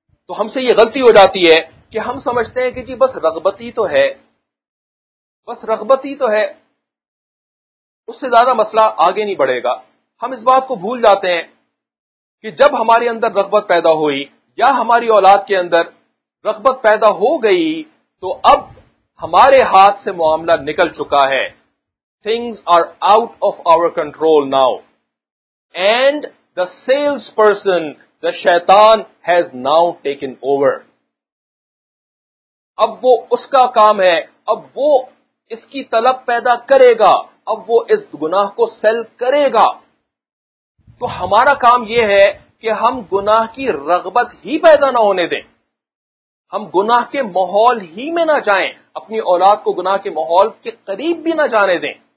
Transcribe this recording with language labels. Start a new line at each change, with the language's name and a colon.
Urdu: تو ہم سے یہ غلطی ہو جاتی ہے کہ ہم سمجھتے ہیں کہ جی بس رغبت ہی تو ہے, بس رغبت ہی تو ہے, اس سے زیادہ مسئلہ آگے نہیں بڑھے گا. ہم اس بات کو بھول جاتے ہیں کہ جب ہمارے اندر رغبت پیدا ہوئی یا ہماری اولاد کے اندر رغبت پیدا ہو گئی, تو اب ہمارے ہاتھ سے معاملہ نکل چکا ہے.
English: Things are out of our control now. And the salesperson, the shaitan has now taken over.
Urdu: اب وہ اس کا کام ہے, اب وہ اس کی طلب پیدا کرے گا, اب وہ اس گناہ کو سیل کرے گا. تو ہمارا کام یہ ہے کہ ہم گناہ کی رغبت ہی پیدا نہ ہونے دیں, ہم گناہ کے ماحول ہی میں نہ جائیں, اپنی اولاد کو گناہ کے ماحول کے قریب بھی نہ جانے دیں.